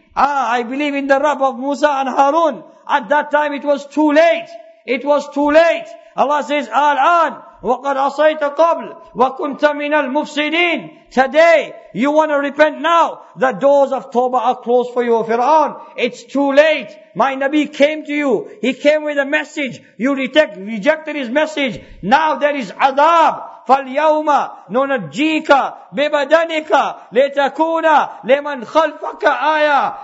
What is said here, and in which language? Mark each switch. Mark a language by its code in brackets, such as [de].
[en] I believe in the Rabb of Musa and Harun. At that time, it was too late. It was too late. Allah says, [ar] Al-an, وَقَدْ عَصَيْتَ قَبْلْ وَكُنْتَ مِنَ الْمُفْسِدِينَ. [en] Today, you want to repent now. The doors of Tawbah are closed for you, Fir'aun. It's too late. My Nabi came to you. He came with a message. You rejected his message. Now there is adab. [ar] فَالْيَوْمَ نُنَجِّيكَ بِبَدَنِكَ لِتَكُونَ لِمَنْ خَلْفَكَ آيَةً.